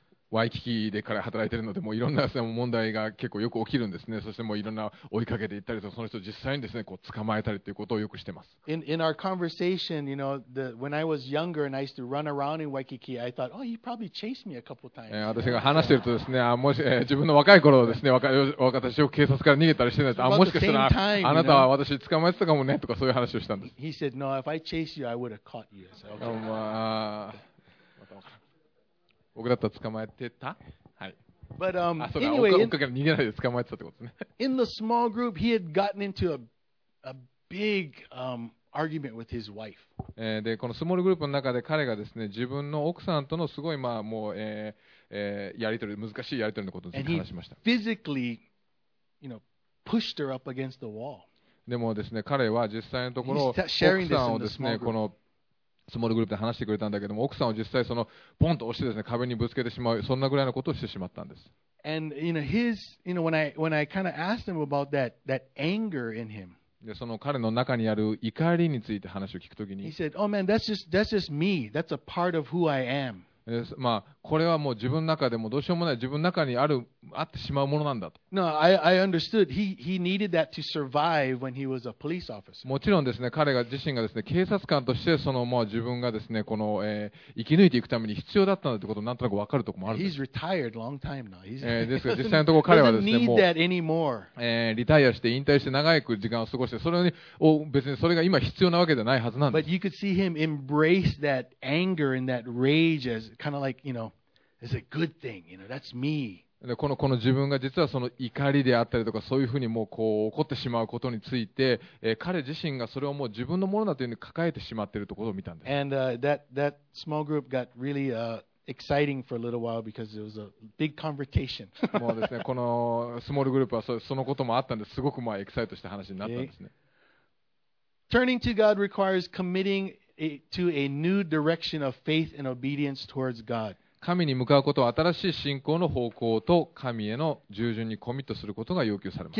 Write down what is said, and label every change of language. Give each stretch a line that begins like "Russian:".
Japanese: ワイキキでから働いてるのでもういろんな問題が結構よく起きるんですね。そしてもういろんな追いかけていったりとかその人実際にですねこう捕まえたりということをよくしてます。
English: In our conversation, you know, when I was younger and I used to run around in Waikiki, I thought, oh, he probably chased me a couple times.
Japanese: 私が話してるとですね、あもし自分の若い頃ですね、私を警察から逃げたりしてないと、あもしかしたらあなたは私捕まえてたかもねとかそういう話をしたんです。
English: He said, no, if I chased you, I would have caught you. So, okay. まあ。
Japanese: 僕だったら捕まえてた。はい。
English: But,
Japanese: あ、そうか。Anyway, 追っかけら逃げないで捕まえてたってことね。
English: In the small group, he had gotten into a big argument with his wife.
Japanese: で、このスモールグループの中で彼がですね、自分の奥さんとのすごいまあもう、やり取り難しいやり取りのことを話しました。
English: And he physically, you know, pushed her up against the wall.
Japanese: でもですね、彼は実際のところ奥さんをですね、このスモールグループで話してくれたんだけども奥さんを実際そのポンと押してですね壁にぶつけてしまうそんなぐらいのことをしてしまったんです。
English: And you know his, you know when I kind of asked him about that anger in him.
Japanese: でその彼の中にある怒りについて話を聞くときに、
English: he said, oh man, that's just me. That's a part of who I am.
Japanese: まあこれはもう自分の中でもどうしようもない自分の中にあるあってしまうものなんだと。
English: No, I understood. He needed that to survive when he was a police officer.
Japanese: もちろんですね、彼が自身がですね、警察官としてそのまあ自分がですね、この、生き抜いていくために必要だったんだということをなんとなくわかるところもある。
English: He's retired long time now.
Japanese: ですが実際のところ彼はですね、もう、リタイアして引退して長く時間を過ごして、それにお別にそれが今必要なわけではないはずなんです。
English: But you could see him embrace that anger and that rage as kind of like, you know, it's a good thing. You know, that's me.
Japanese: でこの自分が実はその怒りであったりとかそういうふうにもうこう怒ってしまうことについて、彼自身がそれをもう自分のものだというふうに抱えてしまっているところを見たんです。
English: And that small group got really exciting for a little while because it was a big confrontation.
Japanese: もうですね、このスモールグループはそのこともあったんですごくまあエキサイトした話になったんですね。
English: Turning to God requires committing to a new direction of faith and obedience towards God.
Japanese: 神に向かうことは新しい信仰の方向と神への従順にコミットすることが要求されます。